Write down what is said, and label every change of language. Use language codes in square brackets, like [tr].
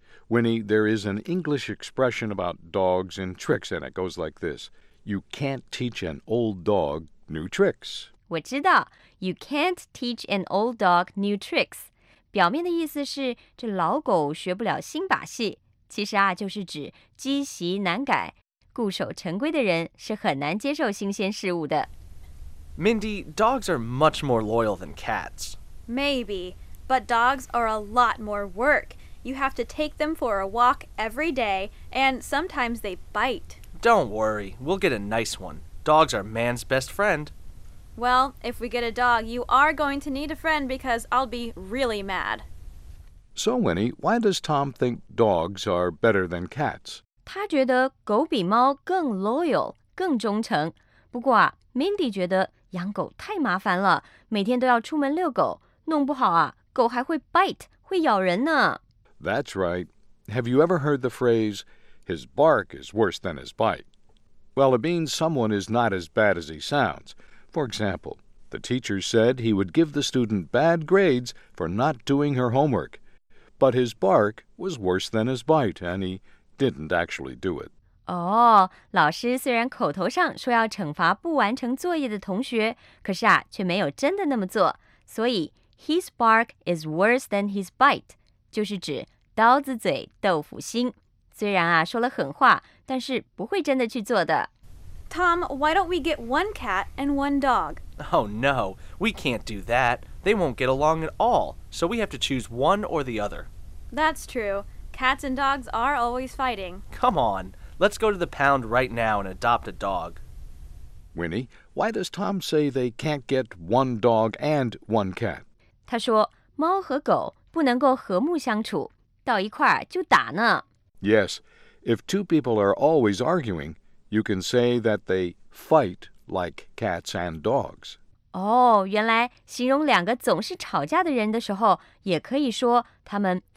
[en] Winnie, there is an English expression about dogs and tricks, and it goes like this. You can't teach an old dog new tricks. [zh] 我知道， [en] you can't teach an old dog new tricks. [zh] 表面的意思是这老狗学不了新把戏，其实啊就是指积习难改，固守成规的人是很难接受新鲜事物的。 [en] Mindy, dogs are much more loyal than cats. Maybe, but dogs are a lot more work. You have to take them for a walk every day, and sometimes they bite. Don't worry, we'll get a nice one. Dogs are man's best friend. Well, if we get a dog, you are going to need a friend because I'll be really mad. So, Winnie, why does Tom think dogs are better than cats? [zh] 他觉得狗比猫更 loyal, 更忠诚。不过啊 ,Mindy 觉得养狗太麻烦了，每天都要出门遛狗，弄不好啊，狗还会 bite, 会咬人呢。 [en] That's right. Have you ever heard the phrase, his bark is worse than his bite? Well, it means someone is not as bad as he sounds. For example, the teacher said he would give the student bad grades for not doing her homework. But his bark was worse than his bite, and he didn't actually do it. [zh] 哦，老师虽然口头上说要惩罚不完成作业的同学，可是啊，却没有真的那么做。所以 [en] his bark is worse than his bite, [zh] 就是指刀子嘴豆腐心。虽然啊，说了狠话，但是不会真的去做的。 [en] Tom, why don't we get one cat and one dog? Oh no, we can't do that. They won't get along at all, so we have to choose one or the other. That's true. Cats and dogs are always fighting. Come on, let's go to the pound right now and adopt a dog. Winnie, why does Tom say they can't get one dog and one cat? [zh] 他说猫和狗不能够和睦相处，到一块儿就打呢。 [en] Yes, if two people are always arguing,You can say that they fight like cats and dogs. [zh] Oh, 原来形容两个总是吵架的人的时候，也可以说他们